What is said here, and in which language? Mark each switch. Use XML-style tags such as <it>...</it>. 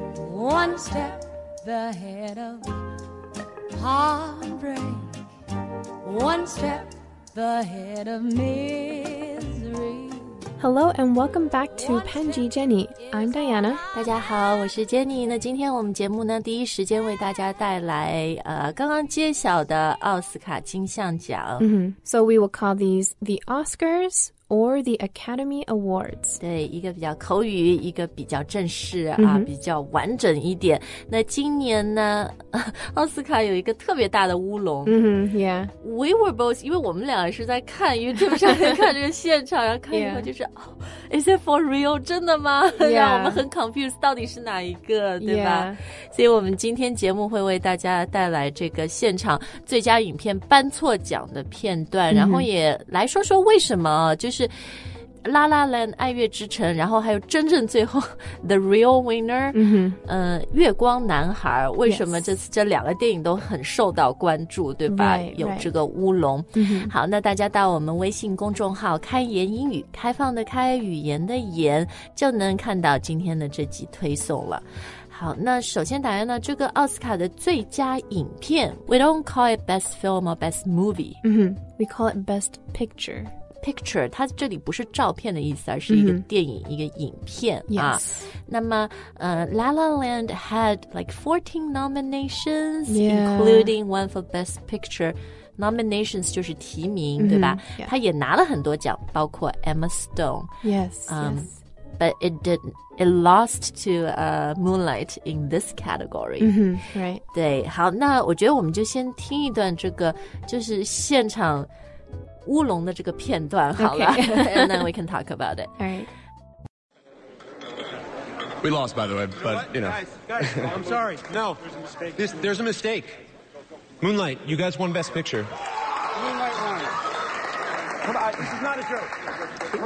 <en>one step ahead of heartbreak, one step ahead of misery. Hello and welcome back to Panji Jenny. I'm Diana.</en> <zh>大家好，我是 Jenny。那今天我们节目呢，第一时间为大家带来刚刚揭晓的奥斯卡金像奖。 Mm-hmm.</zh> <en>So we will call these the Oscars or the Academy Awards.</en> <zh>对，一个比较口语，一个比较正式啊， mm-hmm. 比较完整一点。那今年呢，奥斯卡有一个特别大的乌龙。嗯、mm-hmm. ，Yeah.</zh> <en>We were both,</en> <zh>因为我们俩是在看 YouTube 上面看这个现场，然后看以后就是、</zh> <en>yeah. ，Is it for real?</en> <zh>真的吗？</zh> <en>让、 yeah.</en> <zh>我们很 confused， 到底是哪一个，对吧？</zh> <en>Yeah.</en> <zh>所以我们今天节目会为大家带来这个现场最佳影片颁错奖的片段， mm-hmm. 然后也来说说为什么，就是。 La La Land 爱乐之城，然后还有真正最后 The Real Winner、 mm-hmm. 月光男孩，为什么这次这两个电影都很受到关注，对吧？</zh> <en>Right,</en> <zh>有这个乌龙、</zh> <en>right. mm-hmm.</en> <zh>好，那大家到我们微信公众号开言英语，开放的开，语言的言，就能看到今天的这集推送了。好，那首先答案呢，这个奥斯卡的最佳影片</zh> <en>We don't call it best film or best movie、 mm-hmm. We call it best picturePicture，</en> <zh>它这里不是照片的意思，而是一个电影、mm-hmm. 一个影片、</zh> <en>yes. 啊。那么La La Land had like 14 nominations、 yeah. including one for best picture nominations 就是提名、 mm-hmm.</en> <zh>对吧、</zh> <en>yeah.</en> <zh>它也拿了很多奖，包括 Emma Stone</zh> <en>yes, yes. but it didn'tIt lost to、Moonlight in this category.、 Mm-hmm, right.</en> <zh>对，好，那我觉得我们就先听一段这个就是现场乌龙的这个片段好了、</zh> <en>okay. And then we can talk about it. All right. We lost, by the way, but, you know. Guys, I'm sorry. No. There's a mistake. There's a mistake. Moonlight, you guys won Best Picture. Moonlight won. Come on, this is not a joke.</en>